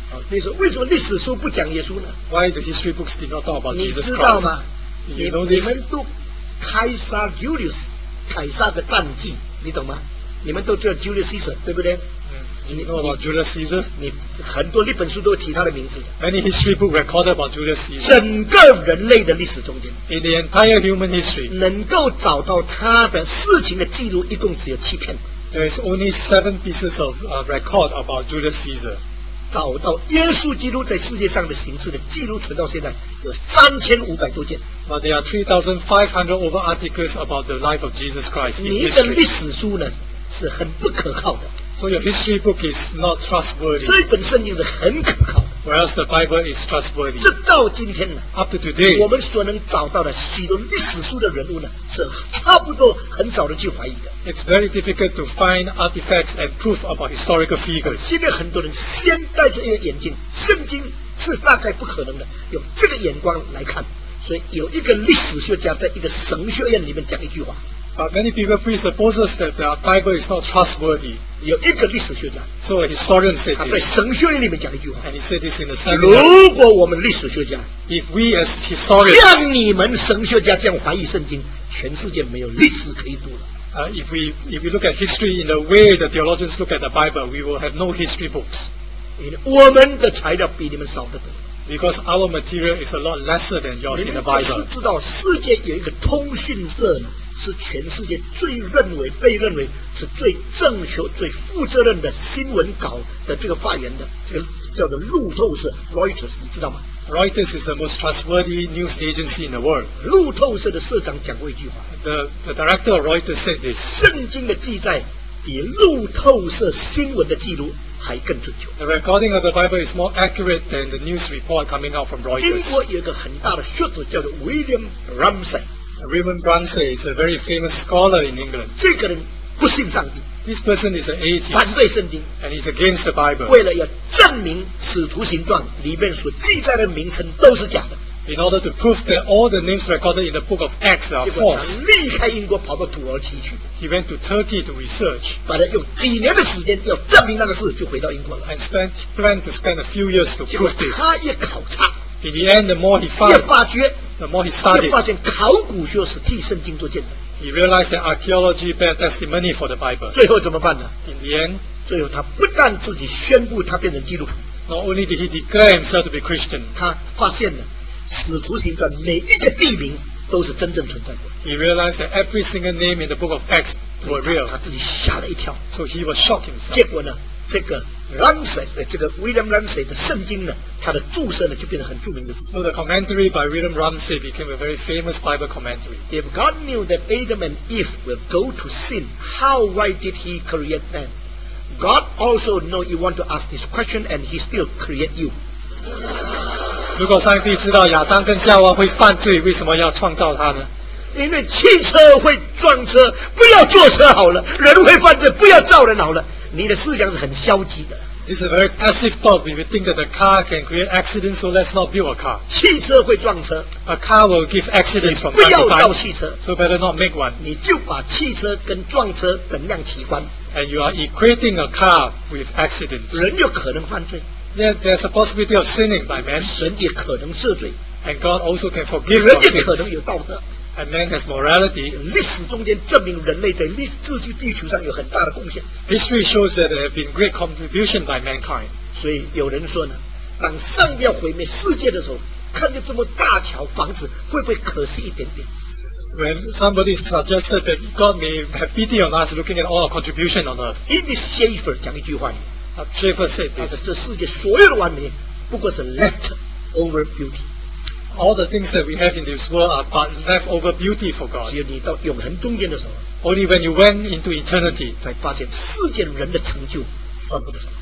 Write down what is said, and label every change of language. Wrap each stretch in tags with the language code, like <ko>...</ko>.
<zh>你说为什么历史书不讲耶稣呢</zh> <en>？Why the history books did not talk about Jesus Christ？</en> <zh>你知道吗</zh> <en>？You know this？</en> <zh>你们读凯撒 Julius 凯撒的战绩，你懂吗？你们都知道 Julius Caesar 对不对？嗯。你</zh> <en>know about Julius Caesar？</en> <zh>你很多历本书都提他的名字。</zh> <en>Many history books record about Julius Caesar。</en> <zh>整个人类的历史中间</zh> <en>，In the entire human history，</en> <zh>能够找到他的事情的记录，一共只有七篇。</zh> <en>There is only seven pieces of record about Julius Caesar。</en> <zh>找到耶稣基督在世界上的形式的记录存到现在有3500多件</zh> <en>But there are 3500 over articles about the life of Jesus Christ in history</en> <zh>你的历史书呢是很不可靠的</zh> <en>So your history book is not trustworthy</en> <zh>这本圣经是很可靠的</zh> <en>or else the Bible is trustworthy.</en> <zh>直到今天呢</zh> <en>，up to today，</en> <zh>我们所能找到的许多历史书的人物呢，是差不多很少的去怀疑的。</zh> <en>It's very difficult to find artifacts and proof about historical figures。</en> <zh>现在很多人先戴着一个眼镜，圣经是大概不可能的，用这个眼光来看。所以有一个历史学家在一个神学院里面讲一句话。</zh> <en>But many people presuppose that the Bible is not trustworthy.</en> <zh>有一个历史学家</zh> <en>，so a historian said this.</en> <zh>他在神学院里面讲一句话</zh> <en>，and he said this in the seminar.</en> <zh>如果我们历史学家</zh> <en>，if we as historians,</en> <zh>像你们神学家这样怀疑圣经，全世界没有历史可以读了。</zh> <en>If we look at history in the way the theologians look at the Bible, we will have no history books.</en> <zh>我们的材料比你们少得多。</zh> <en>Because our material is a lot lesser than yours in the Bible.</en> <zh>你们是知道世界有一个通讯社呢？是全世界最认为被认为是最正确最负责任的新闻稿的这个发言的这个叫做路透社 Reuters 你知道吗</zh> <en>Reuters is the most trustworthy news agency in the world</en> <zh>路透社的社长讲过一句话</zh> <en>the director of Reuters said this</en> <zh>圣经的记载比路透社新闻的记录还更准确</zh> <en>The recording of the Bible is more accurate than the news report coming out from Reuters</en> <zh>英国有一个很大的学者叫做 William Ramsay</zh> <en>Raymond Ramsay is a very famous scholar in England.</en> <zh>这个人不信上帝。</zh> <en>This person is an atheist.</en> <zh>反对圣经。</zh> <en>And he's against the Bible.</en> <zh>为了要证明《使徒行传》里面所记载的名称都是假的。</zh> <en>In order to prove that all the names recorded in the book of Acts are false.</en> <zh>结果他离开英国跑到土耳其去。</zh> <en>He went to Turkey to research.</en> <zh>把他用几年的时间要证明那个事就回到英国了。</zh> <en>And planned to spend a few years to prove this.</en> <zh>结果他一考察。</zh> <en>In the end, the more he found,</en> <zh>越发觉。</zh> <en>The more he studied,</en> <zh>越发现考古学是替圣经做见证。</zh> <en>He realized that archaeology bear testimony for the Bible.</en> <zh>最后怎么办呢</zh> <en>？In the end,</en> <zh>最后他不但自己宣布他变成基督徒</zh> <en>，Not only did he declare himself to be Christian,</en> <zh>他发现了使徒行传每一个地名都是真正存在过。</zh> <en>He realized that every single name in the book of Acts were real.</en> <zh>他自己吓了一跳</zh> <en>，So he was shocked himself.</en> <zh>结果呢，这个。Ramsay 这个 William Ramsay 的圣经呢，他的注释呢就变得很著名的。</zh> <en>So the commentary by William Ramsay became a very famous Bible commentary. If God knew that Adam and Eve will go to sin, how why did He create man? God also know you want to ask this question, and He still create you.</en> <zh>如果上帝知道亚当跟夏娃会犯罪，为什么要创造他呢？因为汽车会撞车，不要坐车好了；人会犯罪，不要造人好了。你的思想是很消极的。</zh> <en>It's a very passive thought. If you think that a car can create accidents, so let's not build a car.</en> <zh>汽车会撞车。</zh> <en>A car will give accidents from time to time.</en> <zh>不要造汽车。</zh> <en>So better not make one.</en> <zh>你就把汽车跟撞车等量齐观。</zh> <en>And you are equating a car with accidents.</en> <zh>人有可能犯罪。</zh> <en>Yeah, there's a possibility of sinning by man.</en> <zh>神也可能赦罪。</zh> <en>And God also can forgive your sins.</en> <zh>人也可能有道德。</zh> <en>And man has morality.</en> <zh>历史中间证明人类在自己地球上有很大的贡献。</zh> <en>History shows that there have been great contribution by mankind.</en> <zh>所以有人说呢，当上帝要毁灭世界的时候，看见这么大桥房子，会不会可惜一点点</zh> <en>？When somebody suggested that God may have pity on us, looking at all our contribution on earth. In this Schaeffer</en> <zh>讲一句话</zh> <en>，Schaeffer said this.</en> <zh>这世界所有的完美，不过是</zh> <en>left over beauty. All the things that we have in this world are but leftover beauty for God.</en> <zh>只有你到永恒中间的时候</zh> <en>，Only when you went into eternity，</en> <zh>才发现世间人的成就算不得什么。</zh>